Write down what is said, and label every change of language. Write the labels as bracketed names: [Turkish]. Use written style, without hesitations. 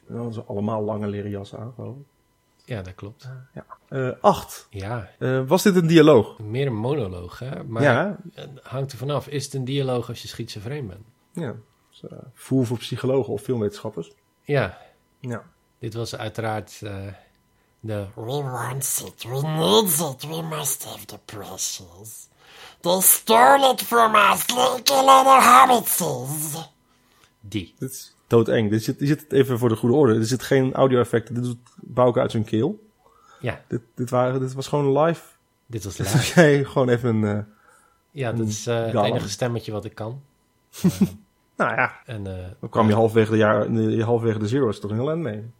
[Dutch] Dan hadden ze allemaal lange leren jas aan, gewoon. Ja, dat klopt. Ja. 8. Ja. Was dit een dialoog? Meer een monoloog, hè? Maar ja. Hangt er vanaf. Is het een dialoog als je schizofreen bent? Ja. Dus, voel voor psychologen of filmwetenschappers. Ja. Ja. Dit was uiteraard de... [English] We want it, we need it, we must have the precious. They stole it from us, like a little hobbitses. [Dutch] Die. Dit is... Doodeng. Dit zit even voor de goede orde. Er zit geen audio-effect. Dit doet Bouke uit zijn keel. Ja. Dit was gewoon live. Dit was live. Jij gewoon even een... Ja, dat is het enige stemmetje wat ik kan. Nou ja. En, dan kwam je halfwege halfwege de Zero's toch een heel eind mee.